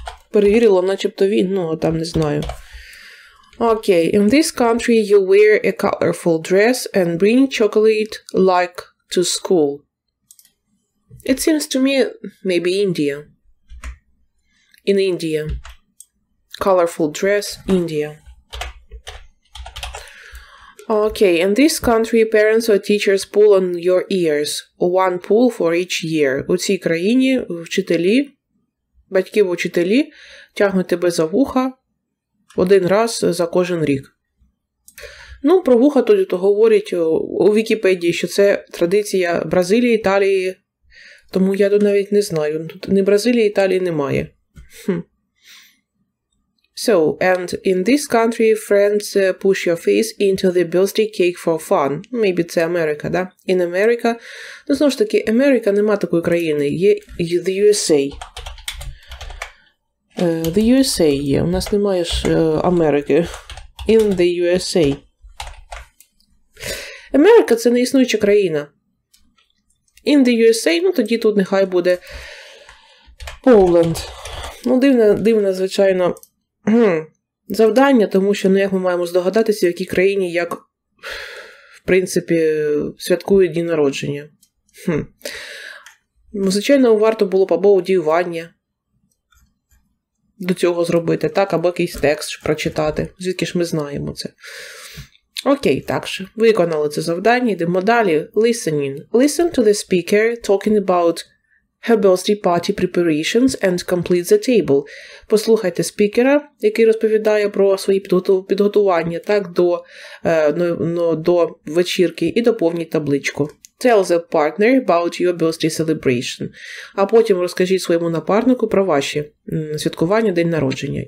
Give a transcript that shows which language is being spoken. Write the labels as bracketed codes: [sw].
[uk] Перевірила, начебто він, ну, а там не знаю. [en] Okay, in this country you wear a colorful dress and bring chocolate like to school. It seems to me maybe India. In India. Colorful dress, India. Okay, in this country parents or teachers pull on your ears. One pull for each year. [uk] У цій країні вчителі, батьки-вчителі тягнуть тебе за вуха. Один раз за кожен рік. Ну, про вуха тоді то говорять у Вікіпедії, що це традиція Бразилії, Італії. Тому я тут навіть не знаю. Тут ні Бразилії, Італії немає. Хм. [en] So, and in this country, friends push your face into the birthday cake for fun. Maybe [uk] це Америка, да? [en] In America. [uk] Ну, знову ж таки, Америка нема такої країни. [en] Є the USA. [uk] The USA є. У нас немає ж Америки. [en] In the USA. [uk] Америка – це не існуюча країна. [en] In the USA, [uk] ну тоді тут нехай буде Poland. Ну, дивне, звичайно, завдання, тому що, ну, як ми маємо здогадатися, в якій країні, як, в принципі, святкують дні народження. Хм. Звичайно, варто було б або одівання до цього зробити, так, або якийсь текст прочитати. Звідки ж ми знаємо це? Окей, так що, виконали це завдання, йдемо далі. [en] Listening. Listen to the speaker talking about her birthday party preparations and complete the table. [uk] Послухайте спікера, який розповідає про свої підготування, так, до вечірки, і доповніть табличку. [en] Tell the partner about your birthday celebration. [uk] А потім розкажіть своєму напарнику про ваші святкування, день народження.